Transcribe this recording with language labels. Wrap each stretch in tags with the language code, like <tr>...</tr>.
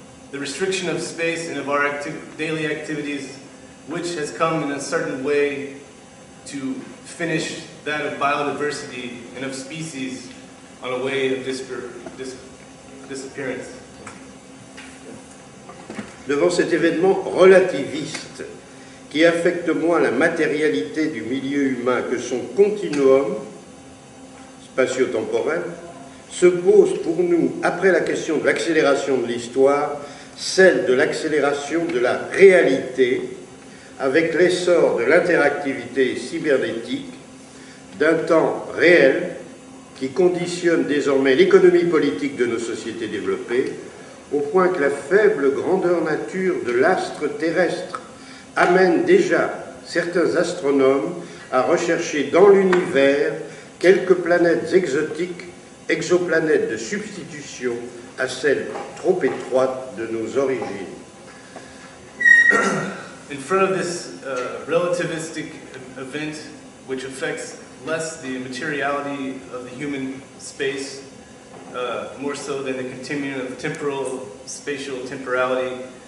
<en>the restriction of space and of our daily activities, which has come in a certain way to finish that of biodiversity and of species on a way of disappearance.</en> <fr>Devant cet événement relativiste, qui affecte moins la matérialité du milieu humain que son continuum spatio-temporel, se pose pour nous, après la question de l'accélération de l'histoire, celle de l'accélération de la réalité avec l'essor de l'interactivité cybernétique, d'un temps réel qui conditionne désormais l'économie politique de nos sociétés développées, au point que la faible grandeur nature de l'astre terrestre amène déjà certains astronomes à rechercher dans l'univers quelques planètes exotiques, exoplanètes de substitution à celles trop étroites de nos origines.</fr> <en>In front of this relativistic event, which affects less the materiality of the human space, more so than the continuum of temporal, spatial temporality,</en>